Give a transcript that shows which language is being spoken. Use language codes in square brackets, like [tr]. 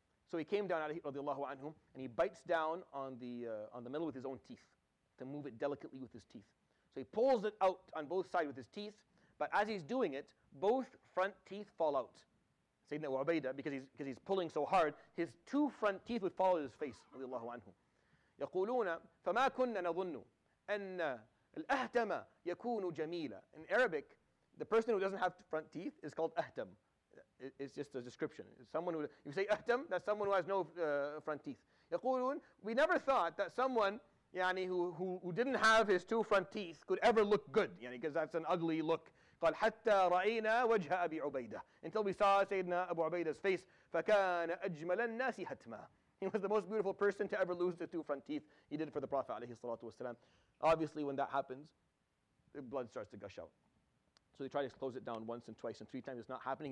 [en] So he came down, alayhi radiallahu anhu, and he bites down on the metal with his own teeth to move it delicately with his teeth. So he pulls it out on both sides with his teeth, but as he's doing it, both front teeth fall out. Sayyidina Abu Ubaidah, because he's pulling so hard, his two front teeth would fall out of his face. Radiallahu anhu. [ar] يقولون فما كنا نظن أن الأهتم يكون جميلا. [en] In Arabic, the person who doesn't have front teeth is called أهتم. It's just a description. Someone who, if you say أهتم, that's someone who has no front teeth. يقولون, we never thought that someone who didn't have his two front teeth could ever look good, because that's an ugly look. [ar] قال حتى رأينا وجه أبي عبيدة. [en] Until we saw Sayyidina Abu Ubaidah's face. [ar] فكان أجمل الناس هتما. [en] He was the most beautiful person to ever lose the two front teeth. He did it for the Prophet عليه الصلاة والسلام. Obviously, when that happens, the blood starts to gush out. So they try to close it down once and twice and three times. It's not happening.